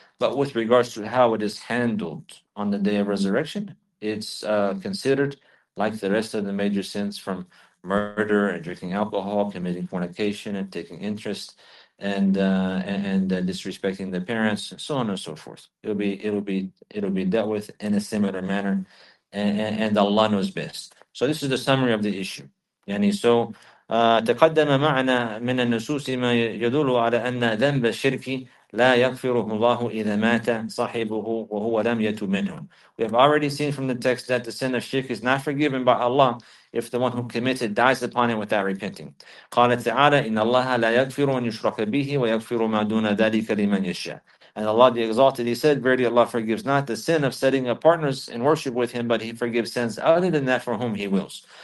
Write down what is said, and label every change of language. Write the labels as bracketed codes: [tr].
[en] But with regards to how it is handled on the day of resurrection, it's considered like the rest of the major sins, from murder and drinking alcohol, committing fornication and taking interest, and disrespecting the parents, and so on and so forth. It'll be dealt with in a similar manner. And Allah knows best. So this is the summary of the issue. [ar] يعني so تقدم معنا من النصوص ما يدل على أن ذنب الشرك لا يغفره الله إذا مات صاحبه وهو لم يتوب منه. [en] We have already seen from the text that the sin of shirk is not forgiven by Allah if the one who committed dies upon it without repenting. [ar] قال تعالى إن الله لا يغفر أن يشرك به ويغفر ما دون ذلك لمن يشاء. [en] And Allah the Exalted, He said, verily Allah forgives not the sin of setting up partners in worship with Him, but He forgives sins other than that for whom He wills.